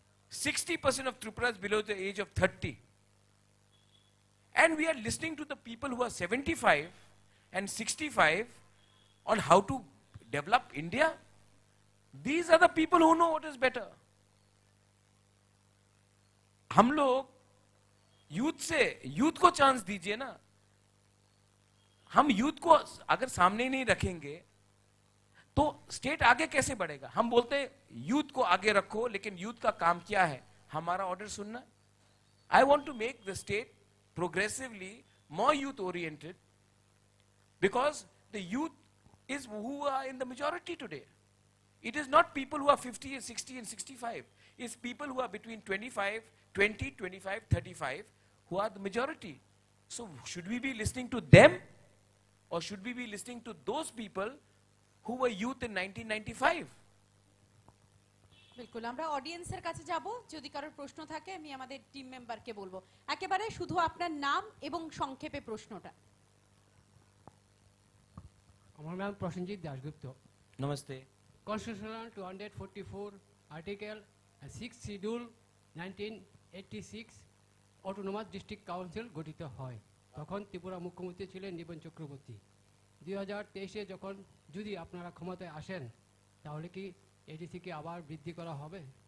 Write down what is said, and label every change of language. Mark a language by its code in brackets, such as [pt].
[en] 60% of Tripura is below the age of 30. And we are listening to the people who are 75 and 65 on how to develop India. These are the people who know what is better. [hi] हम लोग youth से youth को chance दीजिए ना। हम youth को अगर सामने नहीं रखेंगे तो स्टेट आगे कैसे बढ़ेगा? हम बोलते हैं यूथ को आगे रखो, लेकिन यूथ का काम क्या है? हमारा ऑर्डर सुनना। [en] I want to make the state progressively more youth oriented, because the youth is who are in the majority today. It is not people who are 50 and 60 and 65, it's people who are between 25, 20, 25, 35 who are the majority. So should we be listening to them, or should we be listening to those people who were youth in 1995? [bn] Bilkul amra audience er kache jabo, jodi karor proshno thake ami amader team member ke bolbo, ekebare shudhu apnar naam ebong shongkhepe proshno ta. Amar naam Prasenjit Dasgupta. Namaste. Constitution 244 article 6 schedule 1986 autonomous district council gothito hoy, তখন ত্রিপুরা মুখ্যমন্ত্রী ছিলেন নিপন চক্রবর্তী। 2023 যখন যদি আপনারা ক্ষমতায় আসেন তাহলে কি এডিসি কে আবার বৃদ্ধি করা হবে?